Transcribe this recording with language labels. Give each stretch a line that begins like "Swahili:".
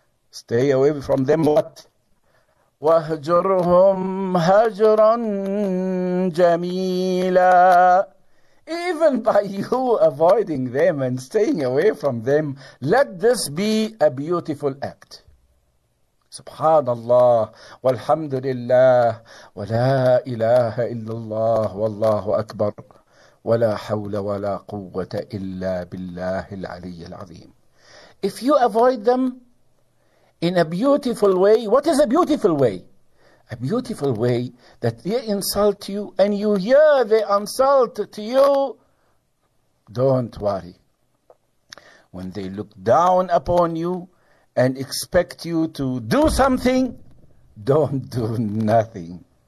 English: Stay away from them. What?
Arabic: Wahjurhum hajran jamila.
English: Even by you avoiding them and staying away from them, let this be a beautiful act.
Arabic: سبحان الله والحمد لله ولا إله إلا الله والله أكبر ولا حول ولا قوة إلا بالله العلي العظيم.
English: If you avoid them in a beautiful way, what is a beautiful way? A beautiful way that they insult you and you hear they insult to you, don't worry. When they look down upon you and expect you to do something, don't do nothing.